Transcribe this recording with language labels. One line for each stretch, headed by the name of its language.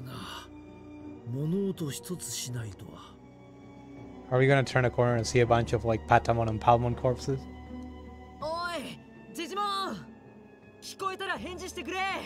Japanese: あの騒がしい奴らも来ないって何かあったのか。これは良くない状況だな。しかし不気味だな。物音一つしないとは。
English: Are we gonna turn a corner and see a bunch of like Patamon and Palmon corpses?
Japanese: おい、ジジモン、聞こえたら返事してくれ。